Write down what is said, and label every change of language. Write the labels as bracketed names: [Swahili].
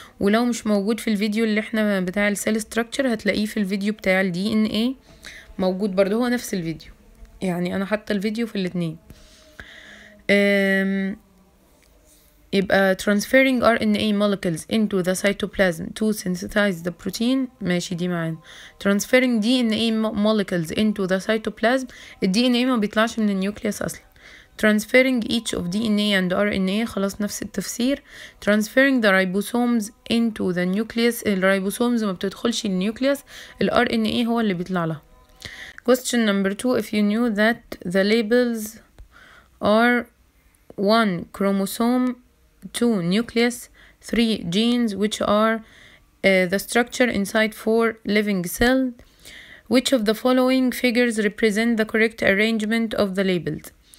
[Arabic] ولو مش موجود في الفيديو اللي احنا بتاع السيل ستراكشر هتلاقيه في الفيديو بتاع الدي ان اي موجود برضه، هو نفس الفيديو يعني انا حاطه الفيديو في الاثنين. [English] يبقى transferring RNA molecules into the cytoplasm to synthesize the protein [Arabic] ماشي دي معانا. [English] transferring DNA molecules into the cytoplasm DNA [Arabic] ما بيطلعش من النيوكليس اصلا. [English] transferring each of DNA and RNA [Arabic] خلاص نفس التفسير. [English] transferring the ribosomes into the nucleus [Arabic] الribosomes ما بتدخلش النيوكليس، ال RNA هو اللي بيطلع لها. [English] question number 2 if you knew that the labels are 1 chromosome 2 nucleus 3 genes which are the structure inside 4 living cell which of the following figures represent the correct arrangement of the labels.